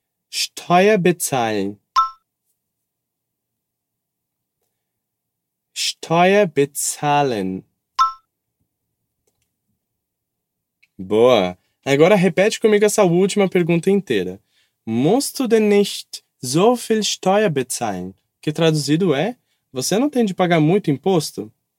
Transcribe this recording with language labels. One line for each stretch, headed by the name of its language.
German: Steuer bezahlen. Steuer bezahlen.
Portuguese: Boa. Agora repete comigo essa última pergunta inteira.
German: Musst du denn nicht so viel Steuer bezahlen?
Portuguese: Que traduzido é: você não tem de pagar muito imposto?